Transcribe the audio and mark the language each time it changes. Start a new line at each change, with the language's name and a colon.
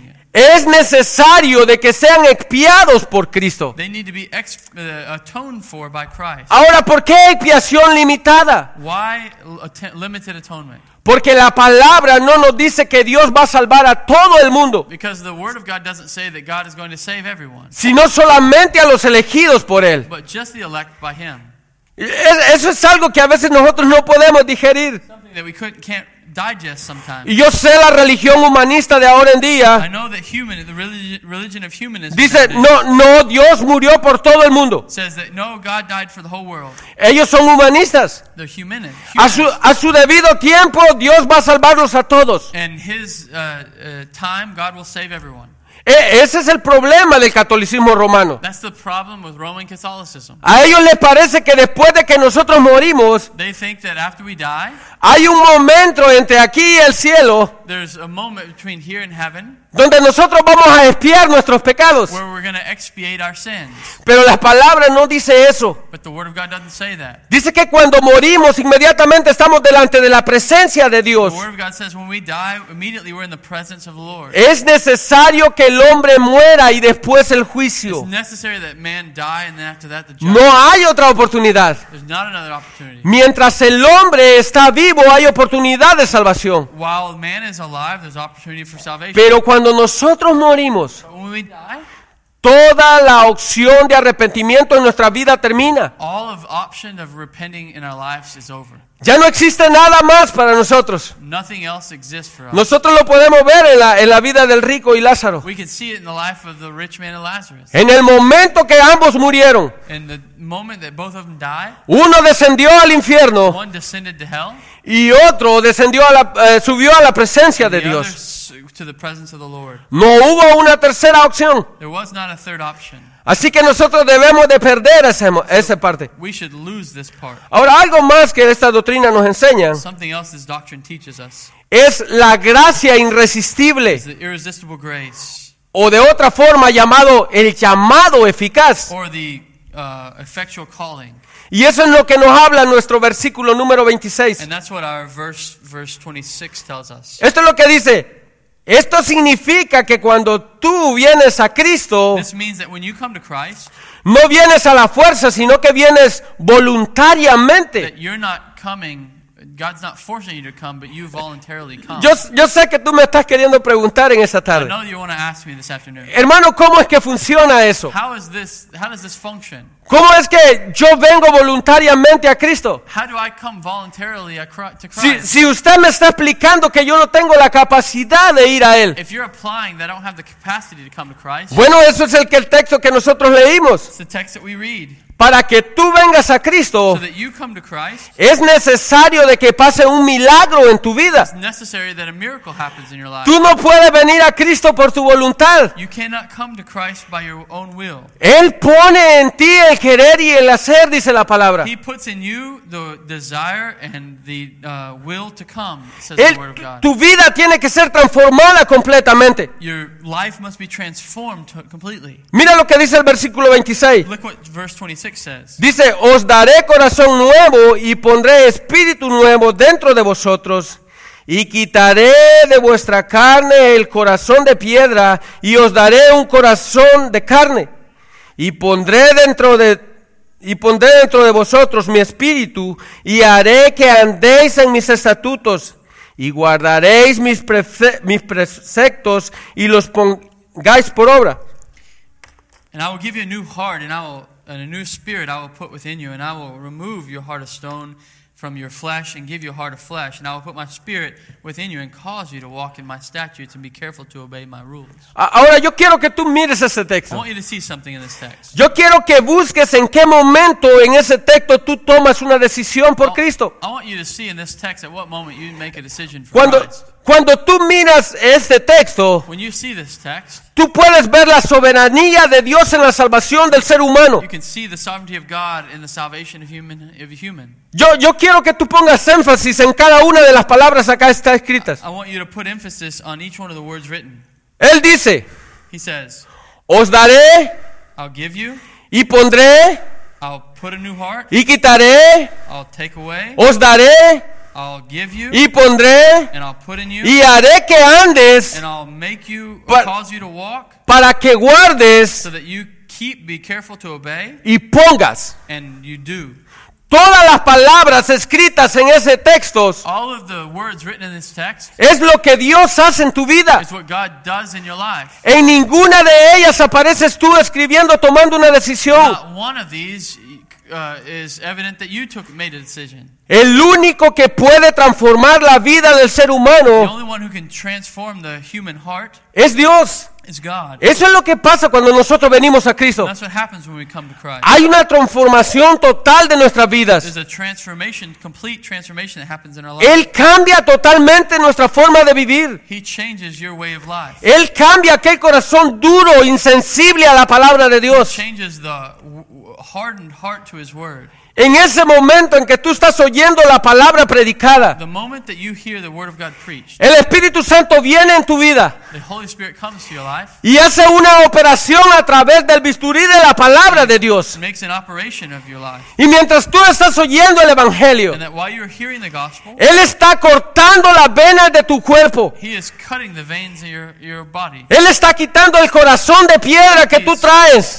Spanish: Es necesario de que sean expiados por Cristo.
English: They need to be atoned for by Christ.
Spanish: Ahora, ¿por qué expiación limitada?
English: Why limited atonement?
Spanish: Porque la palabra no nos dice que Dios va a salvar a todo el mundo.
English: Because the word of God doesn't say that God is going to save everyone.
Spanish: Sino solamente a los elegidos por él.
English: But just the elect by him.
Spanish: Eso es algo que a veces nosotros no podemos digerir.
English: Something that we can't digest sometimes.
Spanish: Y yo sé la religión humanista de ahora en día.
English: I know that the religion of humanism.
Spanish: Dice, no, Dios murió por todo el mundo.
English: Says that no, God died for the whole world.
Spanish: Ellos son humanistas.
English: They're humanist.
Spanish: A su debido tiempo, Dios va a salvarlos a todos.
English: And his time, God will save everyone.
Spanish: Ese es el problema del catolicismo romano.
English: That's the problem with Roman Catholicism.
Spanish: A ellos les parece que después de que nosotros morimos,
English: they think that after we die,
Spanish: hay un momento entre aquí y el cielo,
English: there's a moment between here and heaven,
Spanish: donde nosotros vamos a expiar nuestros pecados.
English: Where we're gonna expiate our sins.
Spanish: Pero la palabra no dice eso.
English: But the word of God doesn't say that.
Spanish: Dice que cuando morimos, inmediatamente estamos delante de la presencia de Dios.
English: The word of God says when we die, immediately we're in the presence of the Lord.
Spanish: Es necesario que el hombre muera y después el juicio.
English: It's necessary that man die and then after that the judgment.
Spanish: No hay otra oportunidad.
English: There's not another opportunity.
Spanish: Mientras el hombre está vivo, hay oportunidad de salvación.
English: While man is alive, there's opportunity for salvation.
Spanish: Pero cuando nosotros morimos,
English: when we die,
Spanish: toda la opción de arrepentimiento en nuestra vida termina.
English: All of option of repenting in our lives is over.
Spanish: Ya no existe nada más para nosotros.
English: Nothing else exists for us.
Spanish: Nosotros lo podemos ver en la vida del rico y Lázaro.
English: We can see it in the life of the rich man and Lazarus.
Spanish: En el momento que ambos murieron,
English: in the moment that both of them died,
Spanish: uno descendió al infierno,
English: one descended to hell,
Spanish: y otro descendió subió a la presencia
English: and
Spanish: de Dios.
English: To the presence of the Lord.
Spanish: No hubo una tercera opción.
English: There was not a third option.
Spanish: Así que nosotros debemos de perder esa parte.
English: We should lose this part.
Spanish: Ahora, algo más que esta doctrina nos enseña,
English: something else this doctrine teaches us,
Spanish: es la gracia irresistible.
English: Is the irresistible grace.
Spanish: O de otra forma llamado el llamado eficaz.
English: Or the effectual calling.
Spanish: Y eso es lo que nos habla nuestro versículo número 26.
English: And that's what our verse 26 tells us.
Spanish: Esto es lo que dice. Esto significa que cuando tú vienes a Cristo,
English: this means that when you come to Christ,
Spanish: no vienes a la fuerza, sino que vienes voluntariamente.
English: That you're not coming, God's not forcing you to come, but you voluntarily come.
Spanish: Yo sé que tú me estás queriendo preguntar en esta tarde.
English: I know you want to ask me this afternoon.
Spanish: Hermano, ¿cómo es que funciona eso?
English: How does this function?
Spanish: ¿Cómo es que yo vengo voluntariamente a Cristo?
English: How do I come voluntarily to Christ?
Spanish: Si usted me está explicando que yo no tengo la capacidad de ir a Él.
English: If you're applying that I don't have the capacity to come to Christ.
Spanish: Bueno, eso es el texto que nosotros leímos.
English: It's the text that we read.
Spanish: Para que tú vengas a Cristo,
English: so that you come to Christ,
Spanish: es necesario de que pase un milagro en tu vida.
English: It's necessary that a miracle happens in your life.
Spanish: Tú no puedes venir a Cristo por tu voluntad.
English: You cannot come to Christ by your own will.
Spanish: Él pone en ti el querer y el hacer, dice la palabra.
English: He puts in you the desire and the will to come, says
Spanish: Él,
English: the word of God.
Spanish: Tu vida tiene que ser transformada completamente.
English: Your life must be transformed completely.
Spanish: Mira lo que dice el versículo 26.
English: Look what verse 26 6 says.
Spanish: Dice, os daré corazón nuevo y pondré espíritu nuevo dentro de vosotros y quitaré de vuestra carne el corazón de piedra y os daré un corazón de carne y pondré dentro de vosotros mi espíritu y haré que andéis en mis estatutos y guardaréis mis preceptos y los pongáis por obra.
English: And I will give you a new heart and a new spirit I will put within you, and I will remove your heart of stone from your flesh and give you a heart of flesh, and I will put my spirit within you and cause you to walk in my statutes and be careful to obey my rules.
Spanish: Ahora yo quiero que tú mires ese texto.
English: I want you to see something in this text.
Spanish: Yo quiero que busques en qué momento en ese texto tú tomas una decisión por Cristo.
English: I want you to see in this text at what moment you make a decision for Christ.
Spanish: Cuando tú miras este texto,
English: when you see this text,
Spanish: tú puedes ver la soberanía de Dios en la salvación del ser humano.
English: You can see the sovereignty of God in the salvation of human, of a human.
Spanish: Yo quiero que tú pongas énfasis en cada una de las palabras acá está escritas.
English: I want you to put emphasis on each one of the words written.
Spanish: Él dice,
English: he says,
Spanish: os daré,
English: I'll give you,
Spanish: y pondré,
English: I'll put a new heart,
Spanish: y quitaré,
English: I'll take away,
Spanish: os daré,
English: I'll give you,
Spanish: y pondré,
English: and I'll put in you,
Spanish: y haré que andes,
English: and I'll make you, cause you to walk,
Spanish: para que guardes,
English: so that you keep, be careful to obey,
Spanish: y pongas,
English: and you do.
Spanish: Todas las palabras escritas en ese texto,
English: all of the words written in this text,
Spanish: es lo que Dios hace en tu vida.
English: Is what God does in your life.
Spanish: En ninguna de ellas apareces tú escribiendo, tomando una decisión.
English: Not one of these, is evident that you took, made a decision.
Spanish: El único que puede transformar la vida del ser humano,
English: the only one who can transform the human heart,
Spanish: es Dios.
English: Is God.
Spanish: Eso es lo que pasa cuando nosotros venimos a Cristo.
English: That's what happens when we come to Christ.
Spanish: Hay una transformación total de nuestras vidas.
English: There's a transformation, complete transformation that happens in our life.
Spanish: Él cambia totalmente nuestra forma de vivir.
English: He changes your way of life.
Spanish: Él cambia aquel corazón duro, insensible a la palabra de Dios.
English: He changes the hardened heart to his word.
Spanish: En ese momento en que tú estás oyendo la palabra predicada,
English: the moment that you hear the word of God preached,
Spanish: el Espíritu Santo viene en tu vida,
English: the Holy Spirit comes to your life,
Spanish: y hace una operación a través del bisturí de la palabra de Dios.
English: Makes an operation of your life.
Spanish: Y mientras tú estás oyendo el Evangelio,
English: and that while you're hearing the gospel,
Spanish: Él está cortando las venas de tu cuerpo.
English: He is cutting the veins of your body.
Spanish: Él está quitando el corazón de piedra que tú traes.